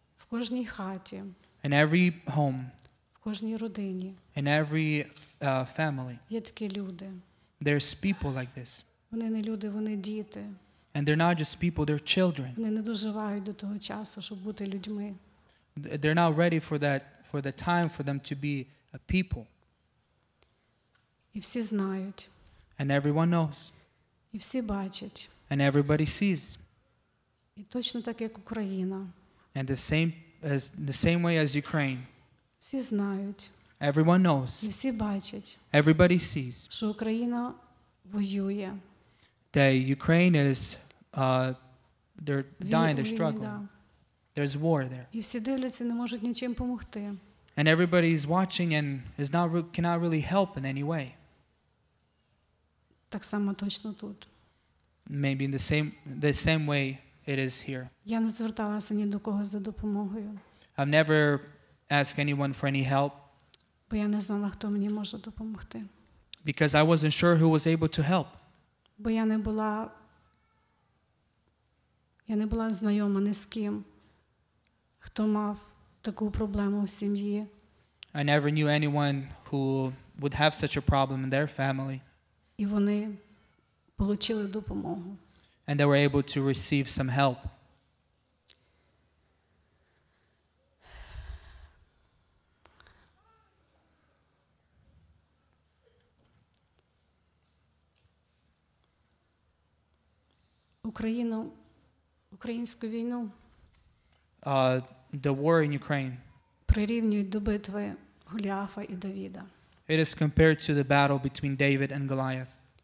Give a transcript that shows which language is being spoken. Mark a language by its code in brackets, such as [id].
[uk] В кожній хаті. [en] In every home. [uk] В кожній родині. [en] In every family. [uk] Є такі люди. [en] There's people like this. [uk] Вони не люди, вони діти. [en] And they're not just people, they're children. [uk] Вони не доживають до того часу, щоб бути людьми. [en] They're not ready for that. For the time for them to be a people. [uk] І всі знають. [en] And everyone knows. [uk] І всі бачать. [en] And everybody sees. [uk] І точно так, як Україна. [en] And the same way as Ukraine. [uk] Всі знають. [en] Everyone knows. [uk] І всі бачать. [en] Everybody sees. [uk] Що Україна воює. [en] That Ukraine is they're dying, they're struggling. There's war there. [uk] І всі дивляться, не можуть нічим допомогти. [en] And everybody is watching and is not cannot really help in any way. [uk] Так само точно тут. [en] Maybe in the same way it is here. [uk] Я не зверталася ні до кого за допомогою. [en] I've never asked anyone for any help. [uk] Бо я не знала, хто мені може допомогти. [en] Because I wasn't sure who was able to help. [uk] Бо я не була знайома ні з ким. Хто мав таку проблему в сім'ї? [en] I never knew anyone who would have such a problem in their family. [uk] І вони отримали допомогу. [en] And they were able to receive some help. [uk] Україну, українську війну. [en] The war in Ukraine. [uk] Прирівнюють до битви Голіафа і Давіда. [en] It is compared to the battle between David and Goliath.